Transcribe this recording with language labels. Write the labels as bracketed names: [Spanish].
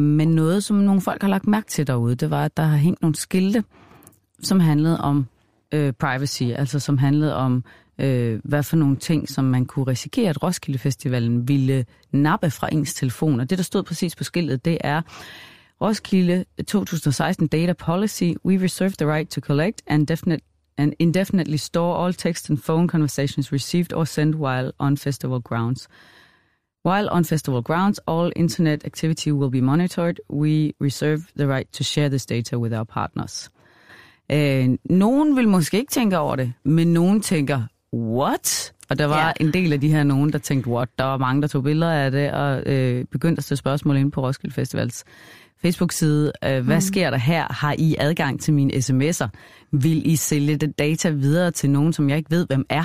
[Danish] Men noget, som nogle folk har lagt mærke til derude, det var, at der har hængt nogle skilte, som handlede om privacy, altså som handlede om hvad for nogle ting, som man kunne risikere, at Roskilde Festivalen ville nappe fra ens telefon. Og det, der stod præcis på skiltet, det er Roskilde 2016 Data Policy. [English] We reserve the right to collect and indefinitely store all text and phone conversations received or sent while on festival grounds. While on festival grounds, all internet activity will be monitored. We reserve the right to share this data with our partners. [Danish] Nogen vil måske ikke tænke over det, men nogen tænker, what? Og der var en del af de her nogen, der tænkte, what? Der var mange, der tog billeder af det og begyndte at stille spørgsmål ind på Roskilde Festivals Facebook-side. Hvad sker der her? Har I adgang til mine sms'er? Vil I sælge det data videre til nogen, som jeg ikke ved, hvem er?